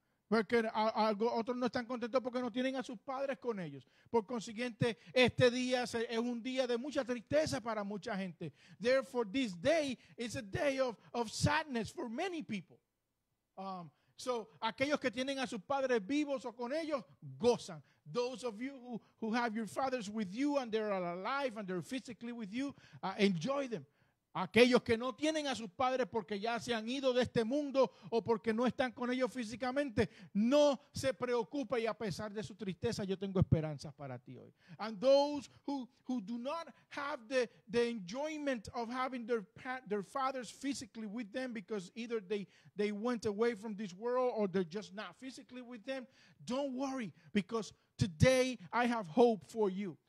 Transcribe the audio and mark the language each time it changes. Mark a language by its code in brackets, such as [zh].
[es] Porque otros no están contentos porque no tienen a sus padres con ellos. Por consiguiente, este día es un día de mucha tristeza para mucha gente. [en] Therefore, this day is a day of sadness for many people. [es] So, aquellos que tienen a sus padres vivos o con ellos, gozan. [en] Those of you who have your fathers with you and they're alive and they're physically with you, enjoy them. [es] Aquellos que no tienen a sus padres porque ya se han ido de este mundo o porque no están con ellos físicamente, no se preocupe, y a pesar de su tristeza, yo tengo esperanzas para ti hoy. [en] And those who do not have the enjoyment of having their fathers physically with them because either they went away from this world or they're just not physically with them, don't worry, because today I have hope for you.